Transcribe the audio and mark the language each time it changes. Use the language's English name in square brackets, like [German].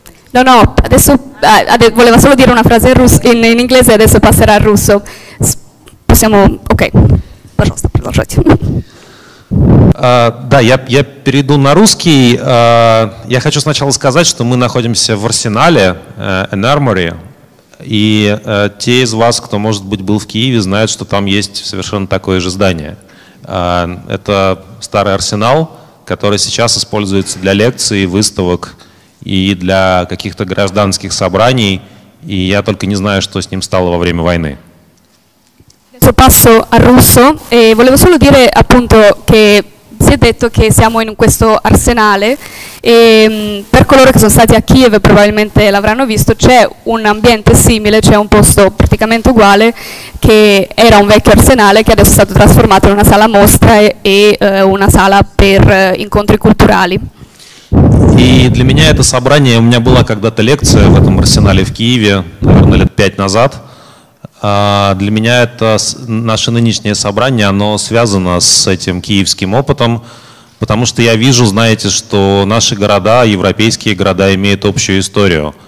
[Italian] No, adesso voleva solo dire una frase in inglese, adesso passerà al russo. Possiamo, ok. [Russian] Пожалуйста, продолжайте. Да, я перейду на русский. Я хочу сначала сказать, что мы находимся в арсенале, [English] an armory. [Russian] И те из вас, кто, может быть, был в Киеве, знают, что там есть совершенно такое же здание. Это старый арсенал, который сейчас используется для лекций, выставок и для каких-то гражданских собраний, и я только не знаю, что с ним стало во время войны. [Italian] Adesso passo al russo e volevo solo dire appunto che si è detto che siamo in questo arsenale e per coloro che sono stati a Kiev probabilmente l'avranno visto, c'è un ambiente simile, c'è un posto praticamente uguale che era un vecchio arsenale che adesso è stato trasformato in una sala mostra e una sala per incontri culturali. [Russian] И для меня это собрание, у меня была когда-то лекция в этом арсенале в Киеве, наверное, лет 5 назад. Для меня это наше нынешнее собрание, оно связано с этим киевским опытом, потому что я вижу, знаете, что наши города, европейские города, имеют общую историю.